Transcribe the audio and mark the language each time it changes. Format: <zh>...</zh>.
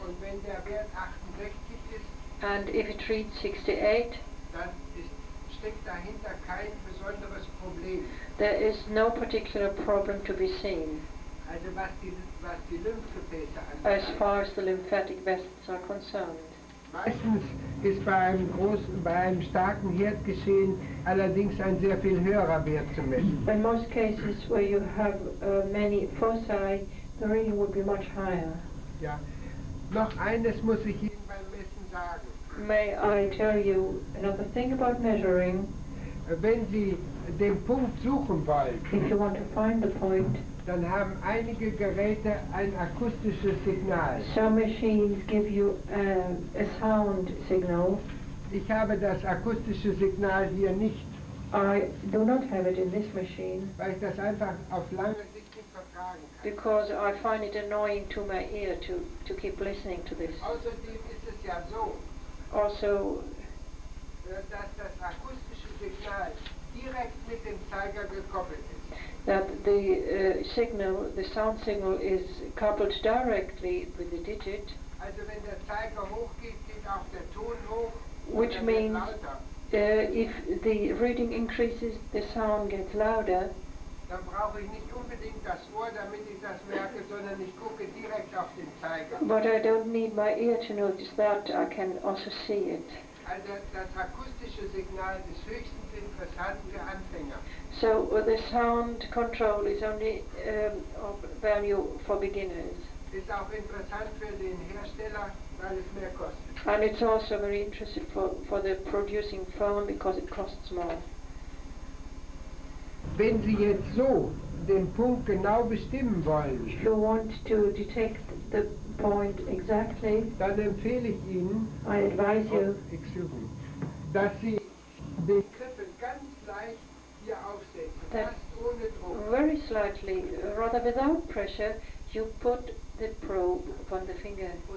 <de>Und wenn der Wert 68 ist,</de> <en>and if it reads 68,</en> <de>dann steckt dahinter kein besonderes Problem.</de> <en>There is no particular problem to be seen.</en> <de>Also was die Lymphgefäße angeht.</de> <en>As far as the lymphatic vessels are concerned.</en> <de>Meistens ist bei einem starken Herdgeschehen allerdings ein sehr viel höherer Wert zu messen.</de> <en>In most cases where you have many foci, the reading would be much higher.</en> <de>Ja, noch eines muss ich Ihnen beim Messen sagen.</de> <en>May I tell you another thing about measuring?</en> <de>Wenn Sie den Punkt suchen wollen.</de> <en>If you want to find the point.</en> <de>Dann haben einige Geräte ein akustisches Signal.</de> <en>Some machines give you a sound signal.</en> <de>Ich habe das akustische Signal hier nicht.</de> <en>I do not have it in this machine.</en> <de>Weil ich das einfach auf lange Sicht nicht vertragen kann.</de> <en>Because I find it annoying to my ear to keep listening to this.</en> <de>Außerdem ist es ja so.</de> <en>Also,</en> <de>dass das akustische Signal direkt mit dem Zeiger gekoppelt ist.</de> <en>That the sound signal is coupled directly with the digit.</en> <de>Also wenn der Zeiger hochgeht, geht auch der Ton hoch.</de> <en>Which means if the reading increases, the sound gets louder.</en> <de>Dann brauche ich nicht unbedingt das Ohr, damit ich das merke, sondern ich gucke direkt auf den Zeiger.</de> <en>But I don't need my ear to notice that, I can also see it.</en> <de>Also das akustische Signal ist höchstens interessant für Anfänger.</de> <en>So the sound control is only of value for beginners.</en> <de>Ist auch interessant für den Hersteller, weil es mehr kostet.</de> <en>And it's also very interesting for the producing firm because it costs more.</en> <de>Wenn Sie jetzt so den Punkt genau bestimmen wollen,</de> <en>if you want to detect the point exactly,</en> <de>dann empfehle ich Ihnen,</de> <en>I advise you,</en> <de>dass Sie den Krippel ganz leicht</de> <en>that very slightly, rather without pressure, you put the probe upon the finger.</en>